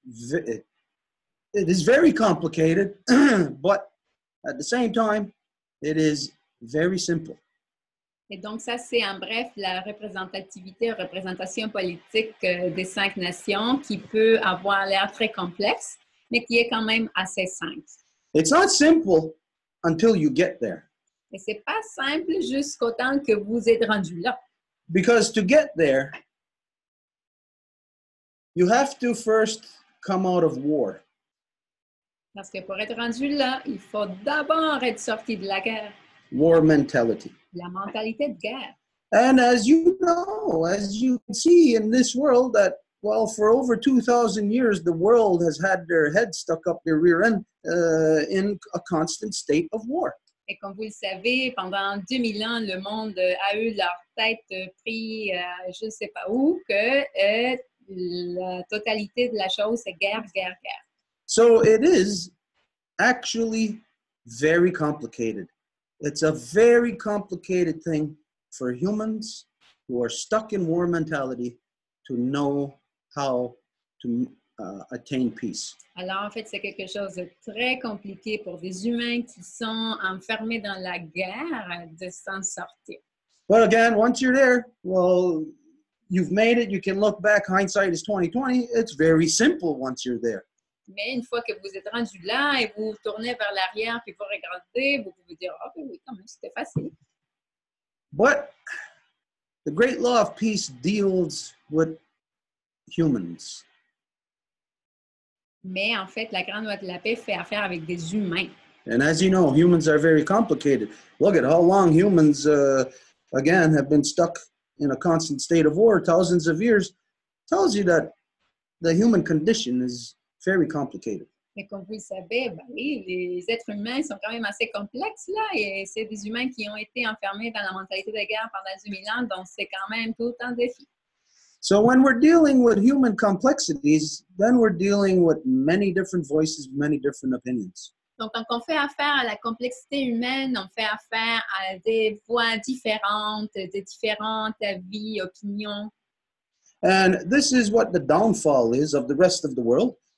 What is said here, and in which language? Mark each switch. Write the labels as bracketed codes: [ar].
[en] It is very complicated, but at the same time, it is very simple. [fr] Et donc ça, c'est en bref la représentativité, représentation politique des cinq nations qui peut avoir l'air très complexe, mais qui est quand même assez simple. [en] It's not simple until you get there. [fr] Et c'est pas simple jusqu'au temps que vous êtes rendu là. [en] Because to get there, you have to first come out of war. [fr] Parce que pour être rendu là, il faut d'abord être sorti de la guerre. [en] War mentality. [fr] La mentalité de guerre. [en] And as you know, as you see in this world, that, well, for over 2,000 years, the world has had their head stuck up their rear end in a constant state of war. [fr] Et comme vous le savez, pendant 2000 ans, le monde a eu leur tête prise je ne sais pas où, que la totalité de la chose, c'est guerre, guerre, guerre. [en] So it is actually very complicated. It's a very complicated thing for humans who are stuck in war mentality to know how to attain peace. [fr] Alors, en fait, c'est quelque chose de très compliqué pour des humains qui sont enfermés dans la guerre de s'en sortir. [en] Well, again, once you're there, well, you've made it. You can look back. Hindsight is 20/20. It's very simple once you're there. [fr] Mais une fois que vous êtes rendu là et vous tournez vers l'arrière puis vous regardez, vous pouvez dire oh oui, quand même, c'était facile. [en] But the great law of peace deals with humans. [fr] Mais en fait, la grande loi de la paix fait affaire avec des humains. [en] And as you know, humans are very complicated. Look at how long humans, again, have been stuck in a constant state of war, thousands of years, tells you that the human condition is very complicated. [fr] Mais comme vous le savez, ben oui, les êtres humains sont quand même assez complexes là, et c'est des humains qui ont été enfermés dans la mentalité de guerre pendant 2000 ans, donc c'est quand même tout un défi. [en] So when we're dealing with human complexities, then we're dealing with many different voices, many different opinions. [fr] Donc quand on fait affaire à la complexité humaine, on fait affaire à des voix différentes, des différentes avis, opinions. [en] And this is what the downfall is of the rest of the world.